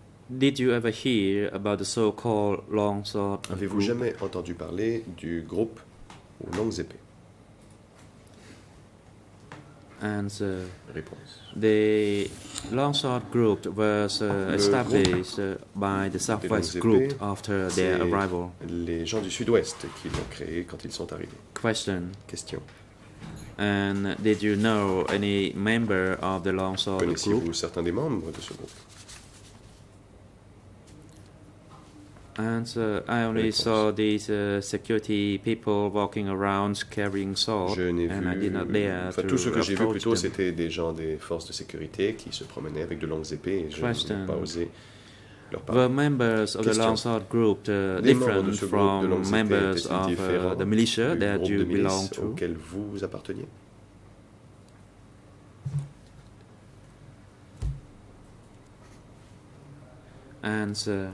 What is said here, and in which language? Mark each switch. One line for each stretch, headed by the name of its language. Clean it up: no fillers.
English: Did you ever hear about the so-called long sword?
French: Avez-vous jamais entendu parler du groupe aux longues épées?
English: Answer.
French: Réponse.
English: The long sword group was established by the Southwest group after their arrival.
French: Les gens du Sud-Ouest qui l'ont créé quand ils sont arrivés.
English: Question. And did you know any member of the long sword group?
French: Connaissiez-vous certains des membres de ce groupe?
English: And so I only saw these security people walking around carrying swords, and I did not dare to
French: Tout ce que j'ai vu plutôt, c'était des gens des forces de sécurité qui se promenaient avec de longues épées, et je n'ai pas osé leur parler.
English: Were members of the long sword group different from members of the militia that you belong to?
French: Auquel vous apparteniez?
English: Answer.